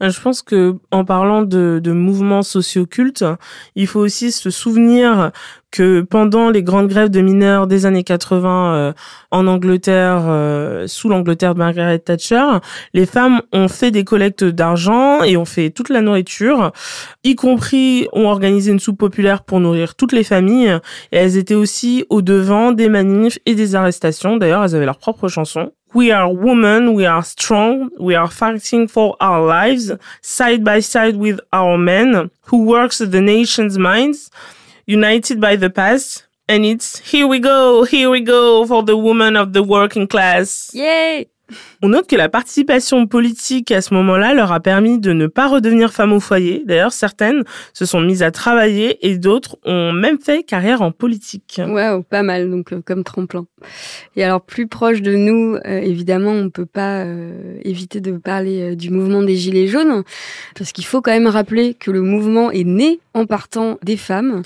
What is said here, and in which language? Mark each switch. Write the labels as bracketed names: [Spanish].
[French] Je pense que en parlant de mouvements socio-cultes, il faut aussi se souvenir que pendant les grandes grèves de mineurs des années 80 en Angleterre, sous l'Angleterre de Margaret Thatcher, les femmes ont fait des collectes d'argent et ont fait toute la nourriture, y compris ont organisé une soupe populaire pour nourrir toutes les familles. Et elles étaient aussi au devant des manifs et des arrestations. D'ailleurs, elles avaient leur propre chanson. [English] We are women, we are strong, we are fighting for our lives, side by side with our men, who works the nation's minds, united by the past, and it's here we go for the women of the working class. Yay! [French] On note que la participation politique à ce moment-là leur a permis de ne pas redevenir femmes au foyer. D'ailleurs, certaines se sont mises à travailler et d'autres ont même fait carrière en politique. Waouh, pas mal, donc comme tremplin. Et alors, plus proche de nous, évidemment, on ne peut pas éviter de parler du mouvement des Gilets jaunes, parce qu'il faut quand même rappeler que le mouvement est né en partant des femmes.